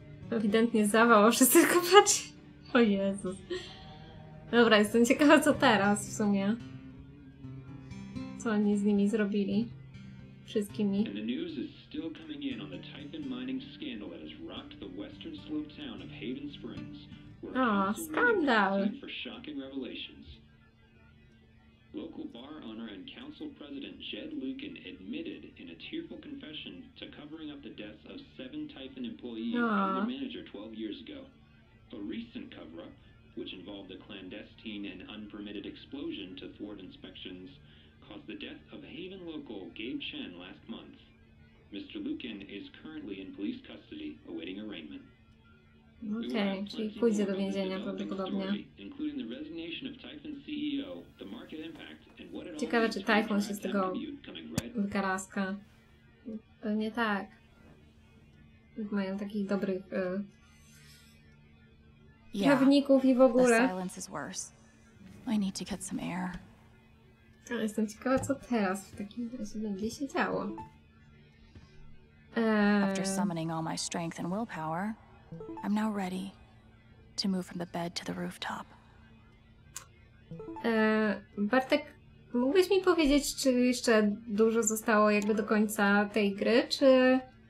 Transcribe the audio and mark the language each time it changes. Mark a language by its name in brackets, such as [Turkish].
[Polish] Ewidentnie zawał, a wszyscy tylko patrzy. O Jezus. Dobra, jestem ciekawa, co teraz w sumie. Co oni z nimi zrobili? Wszystkimi. [English] Still coming in on the Typhon mining scandal that has rocked the western slope town of Haven Springs, where council meeting for shocking revelations. Local bar owner and council president Jed Lucan admitted in a tearful confession to covering up the deaths of 7 Typhon employees and their manager 12 years ago. A recent cover-up, which involved a clandestine and unpermitted explosion to thwart inspections, caused the death of Haven local Gabe Chen last month. Mr. Lucan is currently in police custody, awaiting arraignment. [Polish] Okay, czyli pójdzie do więzienia prawdopodobnie. [English] Including the resignation of Typhon CEO, the market impact, and what it all. [Polish] Ciekawe, czy Typhon się z tego wykaraska. Pewnie tak. Mają takich dobrych prawników i w ogóle. [English] The silence is worse. I need to get some air. [Polish] Jestem ciekawa, co teraz w takim razie będzie się działo. [English] After summoning all my strength and willpower, I'm now ready to move from the bed to the rooftop. [Polish] Bartek, mógłbyś mi powiedzieć, czy jeszcze dużo zostało jakby do końca tej gry, czy...